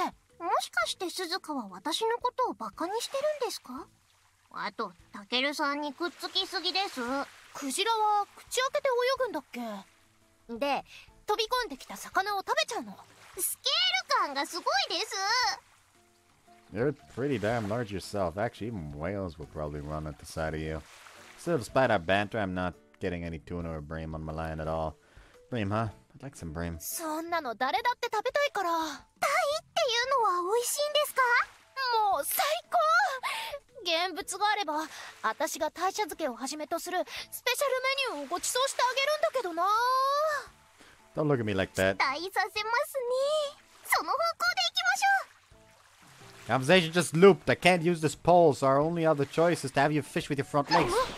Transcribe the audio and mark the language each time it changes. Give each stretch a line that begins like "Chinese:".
Japanese: もしかして鈴鹿は私のことをバカにしてるんですか？あと、タケルさんにくっつきすぎです。クジラは口開けて泳ぐんだっけ？で、飛び込んできた魚を食べちゃうの。スケール感がすごいです。
English: You're pretty damn large yourself. Actually, even whales will probably run at the sight of you. Still, despite our banter, I'm not getting any tuna or bream on my line at all. Bream, huh? I'd like some bream.
Japanese: そんなの誰だって食べたいから。タイっていうのは美味しいんですか？もう最高！現物があれば、私が鯛茶漬けをはじめとするスペシャルメニューをご馳走してあげるんだけどな。
English: Don't look at me like that.
Japanese: 期待させますね。その方向で行きましょう。
English: Conversation just looped. I can't use this pole, so our only other choice is to have you fish with your front legs.